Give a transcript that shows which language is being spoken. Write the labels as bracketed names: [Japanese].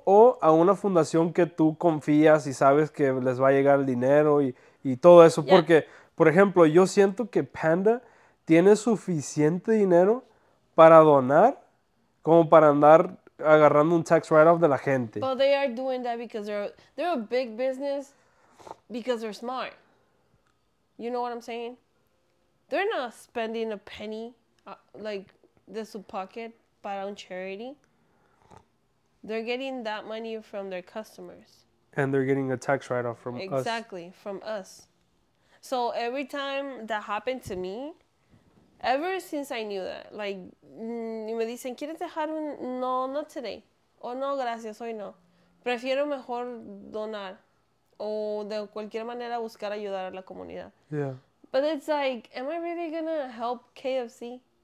[Spanish] O a una fundación que tú confías y sabes que les va a llegar el dinero y todo eso. [English] Yeah. [Spanish] Porque, por ejemplo, yo siento que Panda tiene suficiente dinero para donar como para andar agarrando un tax write-off de la gente. [English] But they are doing that because they're a big business because they're smart. You know what I'm saying? They're not spending a penny, like, [Spanish] de su [English] pocket [Spanish] para un [English] charity. They're getting that money from their customers. And they're getting a tax write-off from us. Exactly, from us. So every time that happened to me, ever since I knew that, like, [Spanish] me dicen, ¿quieres dejar un...? [English] No, not today. Oh, [Spanish] no, gracias, hoy no. Prefiero mejor donar. O de cualquier manera buscar ayudar a la comunidad. [English] Yeah. But it's like, am I really gonna help KFC?